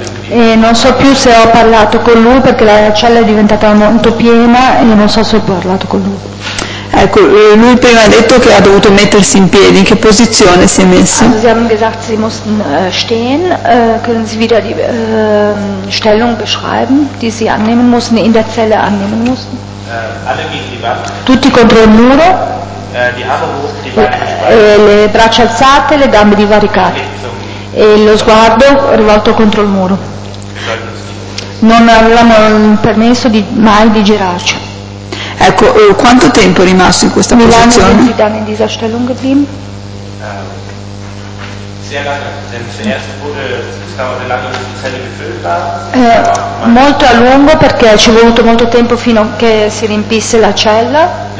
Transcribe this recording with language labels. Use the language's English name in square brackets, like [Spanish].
[Italian] E non so più se ho parlato con lui perché la cella è diventata molto piena e non so se ho parlato con lui. Ecco, lui prima ha detto che ha dovuto mettersi in piedi, in che posizione si è messo? [German] Also, Sie haben gesagt, Sie mussten stehen. Können Sie wieder die Stellung beschreiben, die Sie annehmen mussten, in der Zelle annehmen mussten? Alle gegen die Wand. [Italian] Tutti contro il muro. [German] Die Arme hoch, [Italian] le braccia alzate, le gambe divaricate. E lo sguardo rivolto contro il muro. Non avevamo permesso di mai di girarci. Ecco, quanto tempo è rimasto in questa posizione? [German] Wie lange sind Sie dann in dieser Stellung geblieben? Sehr lange, denn zuerst wurde, es dauerte lange, bis die Zelle gefüllt war. [Italian] Molto a lungo, perché ci è voluto molto tempo fino a che si riempisse la cella.